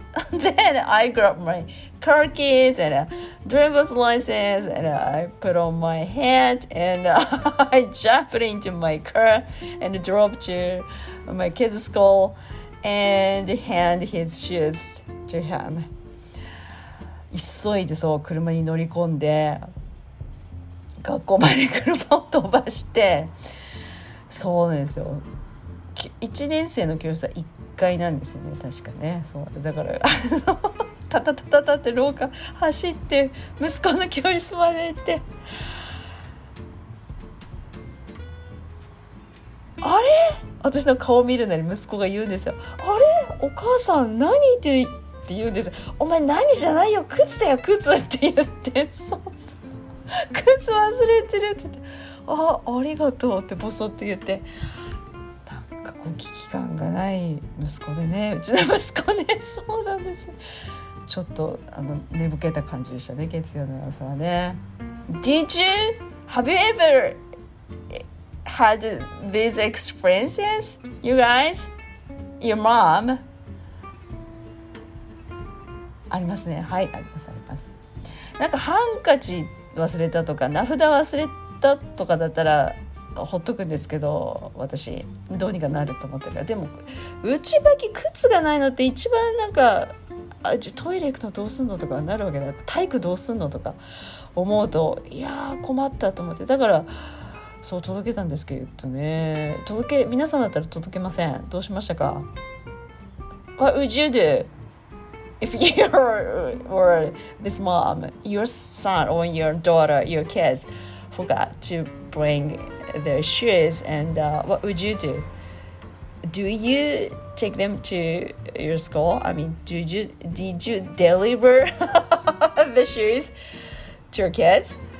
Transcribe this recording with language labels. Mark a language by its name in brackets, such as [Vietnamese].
[English] Then I grabbed my car keys and a driver's license, and I put on my hat, and I jumped into my car and drove to my kid's school and hand his shoes to him. [Japanese] 急いでそう車に乗り込んで学校まで車を飛ばして、そうなんですよ、1年生の教室は1階なんですよね確かね。そうだからタタタタタって廊下走って息子の教室まで行って、あれ私の顔を見るなり息子が言うんですよ、あれお母さん何って言って言うんです、お前何じゃないよ靴だよ靴って言って、そうそう靴忘れてるって言って、あありがとうってボソッと言って、なんかこう危機感がない息子でね、うちの息子ね、そうなんです、ちょっとあの寝ぼけた感じでしたね月曜の朝はね。 [English] Did you have you everhad these experiences, you guys, your mom? [Japanese] ありますね。はい、あります、あります。なんかハンカチ忘れたとか、名札忘れたとかだったら、ほっとくんですけど、私、どうにかなると思ってるから。でも、内履き、靴がないのって一番なんか、あ、トイレ行くのどうすんのとかなるわけだ。体育どうすんのとか思うと、いやー困ったと思って。だから、そう届けたんですけどね、届け、皆さんだったら届けません、どうしましたか。 [English] What would you do if you were this mom, your son or your daughter, your kids forgot to bring their shoes, and what would you do? Do you take them to your school? I mean, did you deliver the shoes to your kids?